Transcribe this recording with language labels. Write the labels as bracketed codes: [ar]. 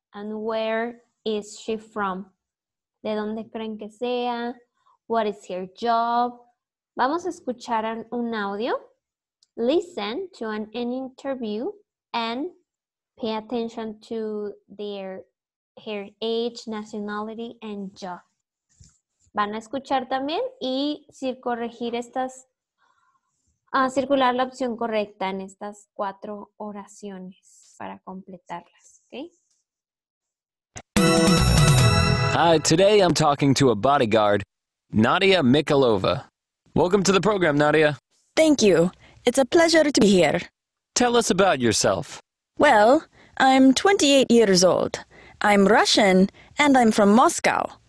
[en] And where is she from? [es] ¿De dónde creen que sea? [en] What is her job? [es] Vamos a escuchar un audio. [en] Listen to an interview and pay attention to her age, nationality, and job. [es] Van a escuchar también y corregir estas, circular la opción correcta en estas cuatro oraciones para completarlas, ¿okay? [en] Hi, today I'm talking to a bodyguard, Nadia Mikhailova. Welcome to the program, Nadia. Thank you. It's a pleasure to be here. Tell us about yourself. Well, I'm 28 years old. I'm Russian and I'm from Moscow.